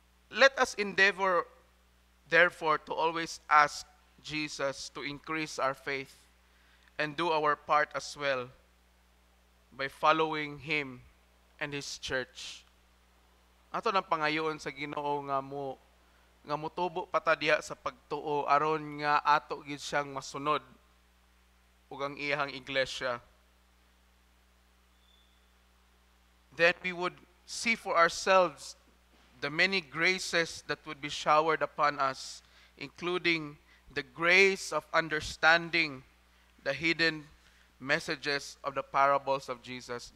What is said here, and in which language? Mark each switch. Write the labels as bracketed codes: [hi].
[en] Let us endeavor, therefore, to always ask Jesus to increase our faith and do our part as well by following Him and His Church. [ceb] Ato na pangayon sa Ginoong mo nga motubo pata diha sa pagtuo aron nga ato gid siyang masunod ug ang iyang iglesia. [en] Then we would see for ourselves the many graces that would be showered upon us, including the grace of understanding the hidden messages of the parables of Jesus.